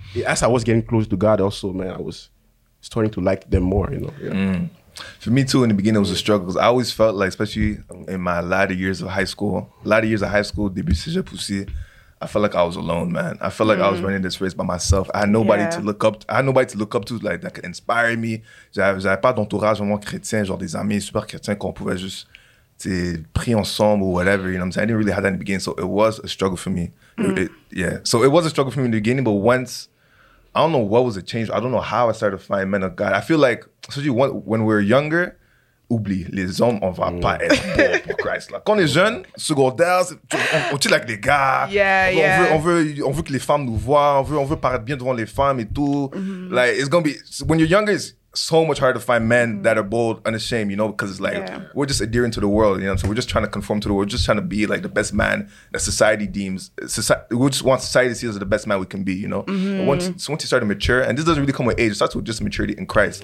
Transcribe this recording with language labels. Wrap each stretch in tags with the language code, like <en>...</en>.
<en>And as I was getting close to God, also, man, I was starting to like them more, you know. Yeah. For me too, in the beginning, it was a struggle. I always felt like, especially in my latter years of high school,</en> <fr>début cégep aussi,</fr> <en>I felt like I was alone, man. I felt like I was running this race by myself. I had nobody to look up. Like that could inspire me.</en> <fr>J'avais pas d'entourage vraiment chrétien, genre des amis super chrétiens qu'on pouvait juste, t'sais, prier ensemble ou whatever.</fr> <en>You know what I'm saying? I didn't really have that in the beginning, so it was a struggle for me. So it was a struggle for me in the beginning, but once, I don't know what was the change. I don't know how I started to find men of God. I feel like, especially when we're younger,</en> <fr>oublie, les hommes, on va pas être pour Christ. Like, quand on est jeune, secondaire, on tire avec les gars. On veut que les femmes nous voient. On veut paraître bien devant les femmes et tout.</fr> <en>Like, it's going to be, when you're younger, it's so much harder to find men that are bold, unashamed, you know, because it's like, we're just adhering to the world, you know, so we're just trying to conform to the world, just trying to be like the best man that society deems, we just want society to see us as the best man we can be, you know. Once you start to mature, and this doesn't really come with age, it starts with just maturity in Christ.</en>